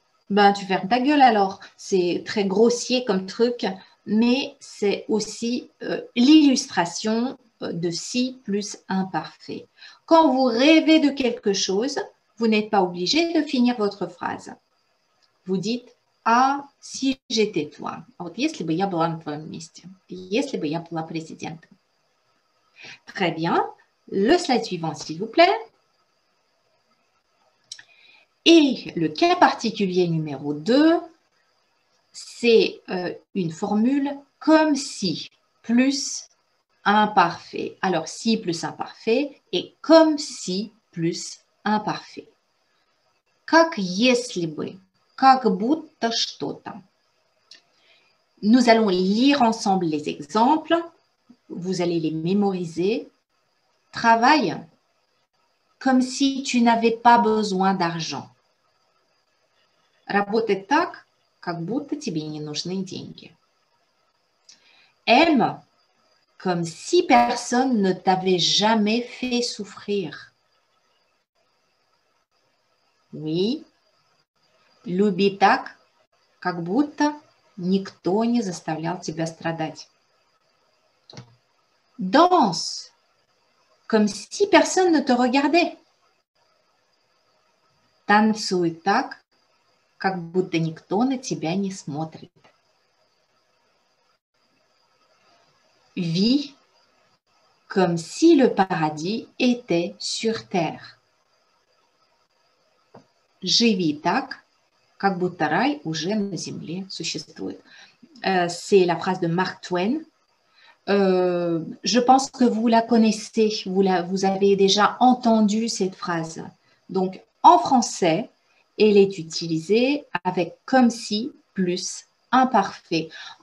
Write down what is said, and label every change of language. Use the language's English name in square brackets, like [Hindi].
[French] Ben, tu fermes ta gueule alors. C'est très grossier comme truc, mais c'est aussi l'illustration de si plus imparfait. Quand vous rêvez de quelque chose, vous n'êtes pas obligé de finir votre phrase. Vous dites « Ah, si j'étais toi ». [Russian] Если бы я была на твоем месте. Если бы я была президентом. [French] Très bien. Le slide suivant, s'il vous plaît. Et le cas particulier numéro 2, c'est une formule « comme si » plus « imparfait ». Alors, « si » plus « imparfait » et « comme si » plus « imparfait ». [Russian] Как если бы. Как будто что-то. [French] Nous allons lire ensemble les exemples. Vous allez les mémoriser. Travaille comme si tu n'avais pas besoin d'argent. [Russian] Работай так, как будто тебе не нужны деньги. [French] Aime comme si personne ne t'avait jamais fait souffrir. Oui. [Russian] Люби так, как будто никто не заставлял тебя страдать. [French] Danse, comme si personne ne te regardait. [Russian] Танцуй так, как будто никто на тебя не смотрит. [French] Vis, comme si le paradis était sur terre. [Russian] Живи так, как будто рай уже на земле существует. [French] C'est la phrase de Mark Twain. Je pense que vous la connaissez, vous avez déjà entendu cette phrase. Donc, en français, elle est utilisée avec « comme si » plus « imparfait ».